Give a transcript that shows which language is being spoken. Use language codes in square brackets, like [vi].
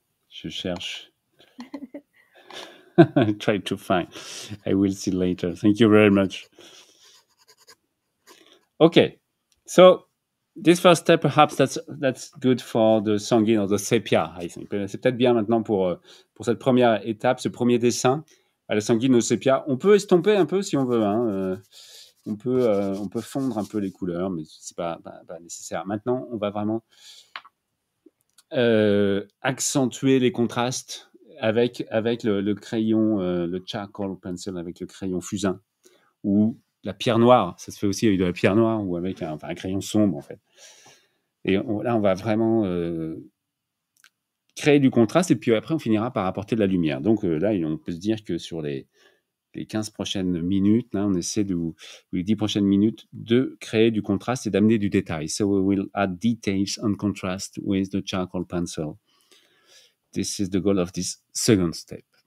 [fr] Je cherche. [en] Try to find. I will see later. Thank you very much. Okay, so this first step, perhaps that's good for the sanguine or the sepia, I think. [fr] C'est peut-être bien maintenant pour cette première étape, ce premier dessin à la sanguine ou sepia. On peut estomper un peu si on veut, hein. On peut fondre un peu les couleurs, mais c'est pas nécessaire. Maintenant, on va vraiment accentuer les contrastes avec le crayon, le charcoal pencil, avec le crayon fusain ou la pierre noire, ça se fait aussi avec de la pierre noire ou avec un crayon sombre, en fait. Et là, on va vraiment créer du contraste, et puis après, on finira par apporter de la lumière. Donc là, on peut se dire que sur les 15 prochaines minutes, là, on essaie les 10 prochaines minutes, de créer du contraste et d'amener du détail. [en] So we will add details and contrast with the charcoal pencil. This is the goal of this second step.